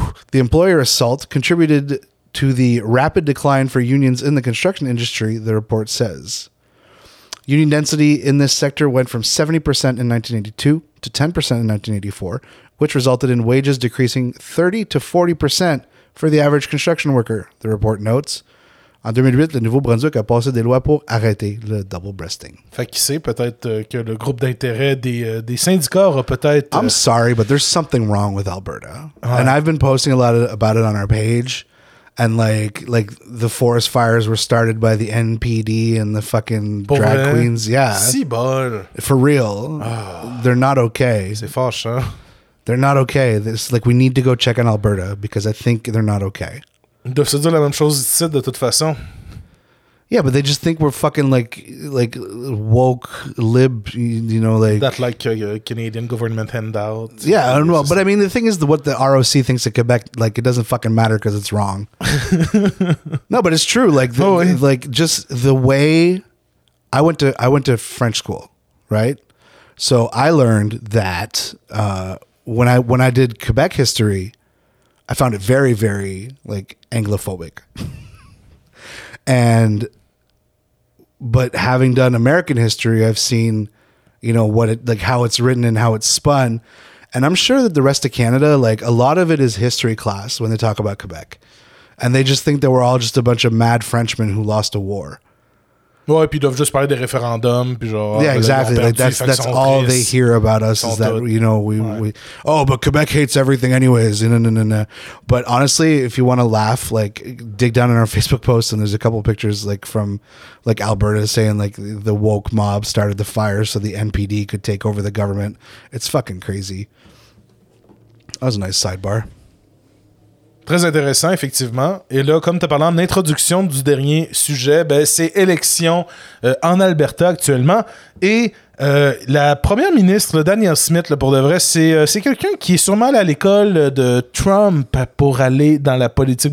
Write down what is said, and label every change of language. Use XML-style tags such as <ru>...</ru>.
<en>The employer assault contributed to the rapid decline for unions in the construction industry, the report says. Union density in this sector went from 70% in 1982 to 10% in 1984, which resulted in wages decreasing 30 to 40% for the average construction worker, the report notes.</en> <fr>En 2008, le Nouveau-Brunswick a passé des lois pour arrêter le double-breasting. Fait qu'il sait peut-être que le groupe d'intérêt des syndicats a peut-être...</fr> <en>I'm sorry, but there's something wrong with Alberta. Ouais. And I've been posting a lot about it on our page. And like the forest fires were started by the NPD and the fucking bon drag vrai. Queens. Yeah.</en> <fr>Si bon.</fr> <en>For real. Oh. They're not okay.</en> <fr>C'est fâche, hein?</fr> <en>They're not okay. It's like we need to go check in Alberta because I think they're not okay.</en> <fr>Ils doivent se dire la même chose ici de toute façon.</fr> <en>Yeah, but they just think we're fucking like woke lib, you know, like that, like Canadian government handout. Yeah, I don't know, but I mean, the thing is, what the ROC thinks of Quebec, like, it doesn't fucking matter because it's wrong. No, but it's true. Like, like just the way I went to French school, right? So I learned that when I did Quebec history, I found it very, very like Anglophobic, and. But having done American history, I've seen, you know, what it, like how it's written and how it's spun. And I'm sure that the rest of Canada, like a lot of it is history class when they talk about Quebec. And they just think that we're all just a bunch of mad Frenchmen who lost a war.</en> <fr>Ouais, puis ils doivent juste parler des référendums, puis genre,</fr> <en>yeah, exactly. Like, that's all they hear about us is that, you know, but Quebec hates everything anyways. But honestly, if you want to laugh, like, dig down in our Facebook post and there's a couple pictures like from like Alberta saying like the woke mob started the fire so the NPD could take over the government. It's fucking crazy. That was a nice sidebar.</en> <fr>Très intéressant, effectivement. Et là, comme tu as parlé en introduction du dernier sujet, ben, c'est élection en Alberta actuellement. Et la première ministre, là, Danielle Smith, là, pour de vrai, c'est quelqu'un qui est sûrement allé à l'école de Trump pour aller dans la politique.</fr>